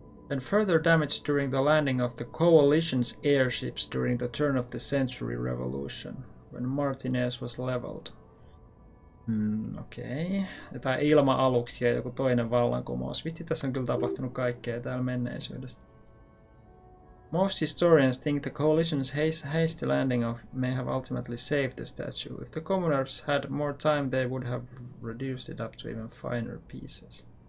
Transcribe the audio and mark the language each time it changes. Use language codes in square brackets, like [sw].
[en] And further damage during the landing of the coalition's airships during the turn of the century revolution, when Martinez was leveled. [fi] Okei. Okay. Tai ilma-aluksi ja joku toinen vallankumous. Vitsi, tässä on kyllä tapahtunut kaikkea täällä menneisyydessä. [en] Most historians think the coalition's hasty landing of may have ultimately saved the statue. If the commoners had more time, they would have reduced it up to even finer pieces.